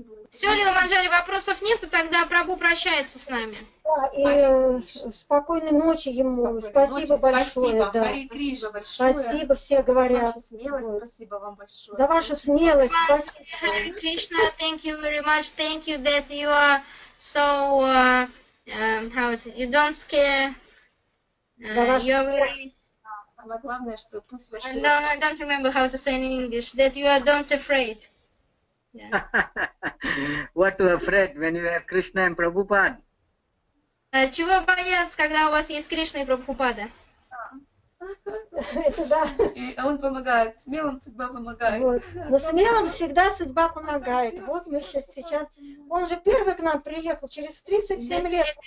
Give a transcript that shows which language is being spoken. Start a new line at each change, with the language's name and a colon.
Russian: Все, Лила Манджари, вопросов нету, тогда Прабу прощается с нами. Да, и спокойной ночи ему, спокойной спасибо ночи, большое. Спасибо, да. Спасибо, все говорят. За вашу смелость, вот. Спасибо вам большое. За вашу смелость, спасибо. Спасибо.
English: Hare Krishna, thank you very much, thank you that you are so, how it, you don't scare, you're very...
Russian: Самое главное, что пусть ваши...
English: I don't remember how to say in English, that you are don't afraid. Yeah. What to afraid when you have Krishna and Prabhupada?
Russian: Чего бояться, когда у вас есть Кришна и Прабхупада? Это да. И он помогает, смелым судьба помогает. Вот. Но смелым всегда судьба помогает. Вот мы сейчас, сейчас... Он же первый к нам приехал через 37 лет.